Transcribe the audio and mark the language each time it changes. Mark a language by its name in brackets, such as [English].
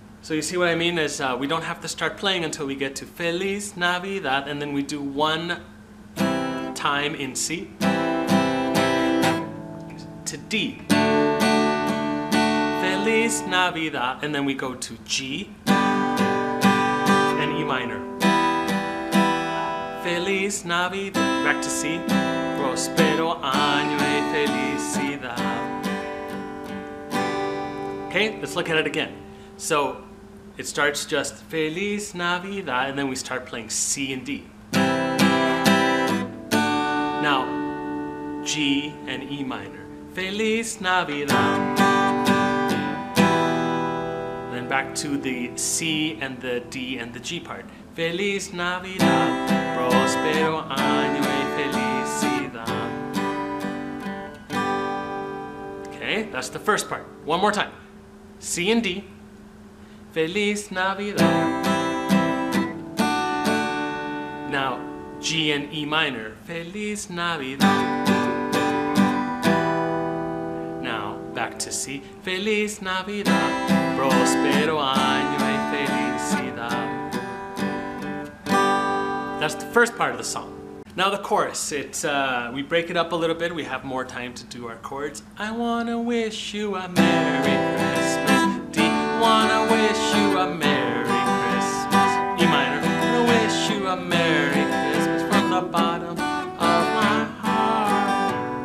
[English] So you see what I mean is we don't have to start playing until we get to Feliz Navidad, and then we do one time in C to D. Feliz Navidad, and then we go to G and E minor. Feliz Navidad, back to C. [Spanish] Prospero año y felicidad. [English] Okay, let's look at it again. So it starts just Feliz Navidad, and then we start playing C and D. Now, G and E minor. Feliz Navidad. Then back to the C and the D and the G part. [Spanish] Feliz Navidad, prospero año y felicidad. [English] Okay, that's the first part. One more time. C and D. Feliz Navidad. Now, G and E minor. Feliz Navidad. Now, back to C. Feliz Navidad. [Spanish] Prospero año y felicidad. [English] That's the first part of the song. Now the chorus. We break it up a little bit. We have more time to do our chords. I wanna wish you a Merry Christmas. D, wanna wish you a Merry Christmas. E minor. I wish you a Merry Christmas from the bottom of my heart.